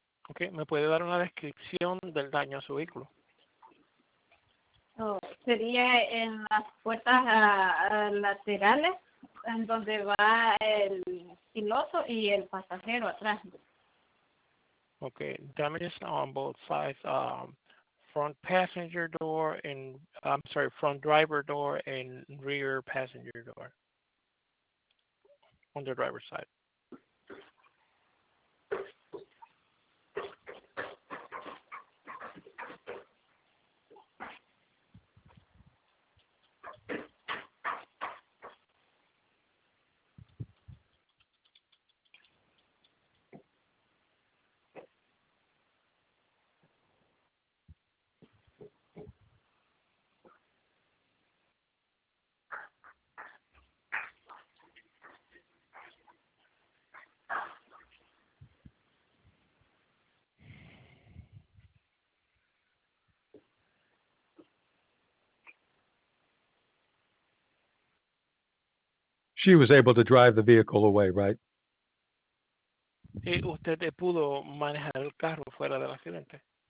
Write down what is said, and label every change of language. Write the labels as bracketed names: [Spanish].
[Spanish] Okay, ¿me puede dar una descripción del daño a su vehículo? Sería en las puertas laterales, en donde va el piloto y el pasajero atrás. [English] Okay, damages on both sides, front driver door and rear passenger door on the driver's side. She was able to drive the vehicle away, right? [Spanish] ¿Y usted pudo manejar el carro fuera del accidente?